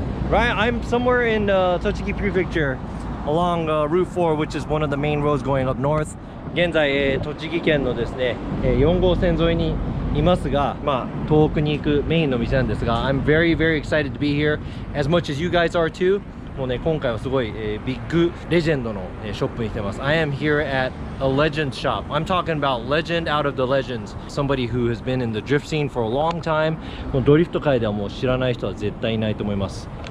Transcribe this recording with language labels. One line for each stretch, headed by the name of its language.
English: Right, I'm somewhere in Tochigi Prefecture along Route 4, which is one of the main roads going up north.
Japanese: 現在、栃木県のですね、4号線沿いにいますが、まあ、東北に行くメインの店なんですが、
English: I'm very, very excited to be here, as much as you guys are too.
Japanese: もうね、今回はすごい、ビッグレジェンドの、ショップに来てます。
English: I am here at a legend shop. I'm talking about legend out of the legends. Somebody who has been in the drift scene for a long time.
Japanese: このドリフト界ではもう知らない人は絶対いないと思います。